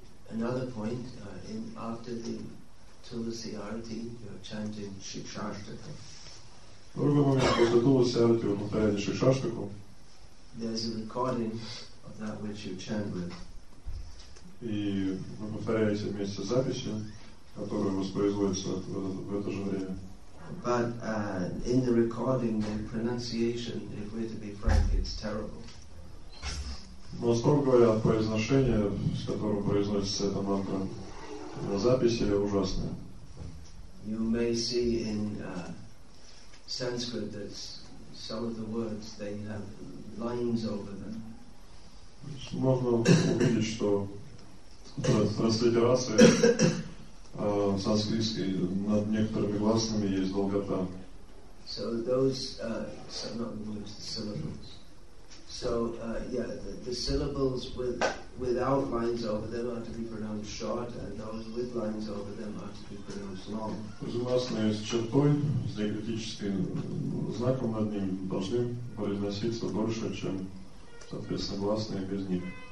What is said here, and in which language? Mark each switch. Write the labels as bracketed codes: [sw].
[en] Another point, after the Tulasi Arati, you're chanting Shikshashtaka. [ru] Другой момент, после Tulasi Arati, вы повторяете Шикшаштаку. [en] There's a recording of that which you chant with. [ru] И вы повторяете вместе с записью, которая воспроизводится в это же время. [en] But in the recording, the pronunciation, if we're to be frank, it's terrible. [ru] Но скоро говоря, произношение, с которым произносится эта мантра, на записи ужасное. [en] You may see in Sanskrit that some of the words, they have lines over them. [ru] Можно увидеть, что транслитерация санскритский над некоторыми гласными есть долгота. [en] So those some not words, the syllables. So the syllables without lines over them are to be pronounced short, and those with lines over them are to be pronounced long. [ru] Гласные с чертой, с диакритическим знаком над ним должны произноситься дольше, чем соответственно гласные без них.